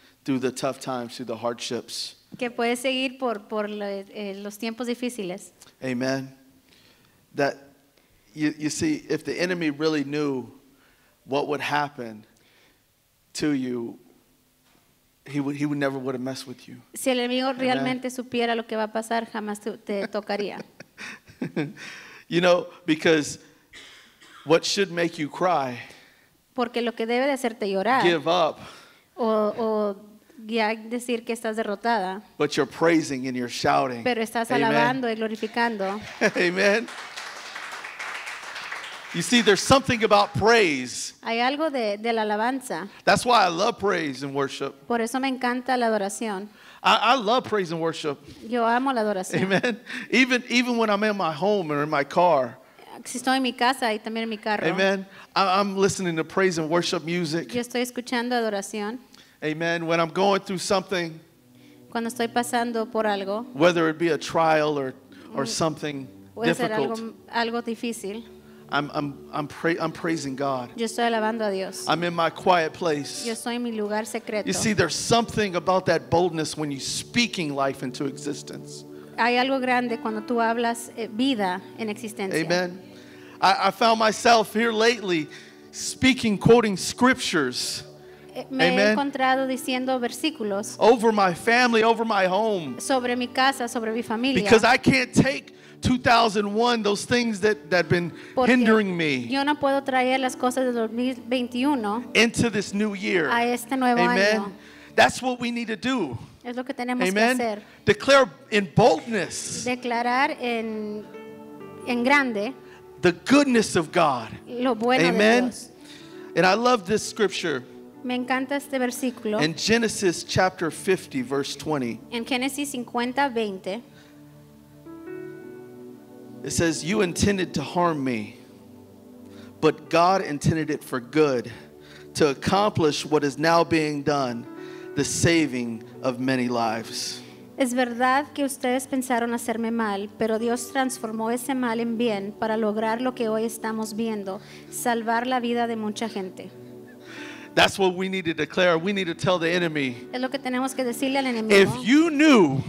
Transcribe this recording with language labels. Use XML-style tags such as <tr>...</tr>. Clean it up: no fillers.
<en>Through the tough times, through the hardships.</en> <es>Que puede seguir por los tiempos difíciles.</es> <en>Amen. That you see, if the enemy really knew what would happen to you, he would never would have messed with you.</en> <es>Si el enemigo realmente supiera lo que va a pasar, jamás te tocaría.</es> <en>You know, because what should make you cry?</en> <es>Porque lo que debe de hacerte llorar.</es> <en>Give up.</en> <es>O ya decir que estás derrotada.</es> <en>But you're praising and you're shouting.</en> <es>Pero estás alabando y glorificando.</es> <en>Amen. You see, there's something about praise.</en> <es>Hay algo de la alabanza.</es> <en>That's why I love praise and worship.</en> <es>Por eso me encanta la adoración.</es> <en>I love praise and worship.</en> <es>Yo amo la adoración.</es> <en>Amen. Even when I'm in my home or in my car.</en> <es>Si estoy en mi casa y también en mi carro.</es> <en>Amen. I'm listening to praise and worship music.</en> <es>Yo estoy escuchando adoración.</es> <en>Amen. When I'm going through something,</en> <es>cuando estoy pasando por algo,</es> <en>whether it be a trial or something</en> <es>puede</es> <en>difficult,</en> <es>ser algo difícil,</es> <en>I'm praising God.</en> <es>Yo estoy alabando a Dios.</es> <en>I'm in my quiet place.</en> <es>Yo estoy en mi lugar secreto.</es> <en>You see, there's something about that boldness when you're speaking life into existence.</en> <es>Hay algo grande cuando tú hablas vida en existencia.</es> <en>Amen. I found myself here lately speaking, quoting scriptures.</en> <es>Me he encontrado diciendo versículos.</es> <en>Over my family, over my home.</en> <es>Sobre mi casa, sobre mi familia.</es> <en>Because I can't take 2001, those things that have been</en> <es>porque</es> <en>hindering me.</en> <es>Yo no puedo traer las cosas de 2021.</es> <en>Into this new year.</en> <es>A este nuevo</es> <en>Amen.</en> <es>Año.</es> <en>That's what we need to do.</en> <es>Es lo que tenemos</es> <en>Amen.</en> <es>Que hacer.</es> <en>Declare in boldness.</en> <es>Declarar en grande.</es> <en>The goodness of God.</en> <es>Lo bueno</es> <en>Amen.</en> <es>De Dios.</es> <en>And I love this scripture.</en> <es>Me encanta este versículo.</es> <en>In Genesis chapter 50, verse 20.</en> <es>En Génesis 50, 20.</es> <en>It says, "You intended to harm me, but God intended it for good, to accomplish what is now being done, the saving of many lives."</en> <es>Es verdad que ustedes pensaron hacerme mal, pero Dios transformó ese mal en bien para lograr lo que hoy estamos viendo, salvar la vida de mucha gente.</es> <en>That's what we need to declare. We need to tell the enemy.</en> <es>Es lo que tenemos que decirle al enemigo.</es> <en>If you knew.</en>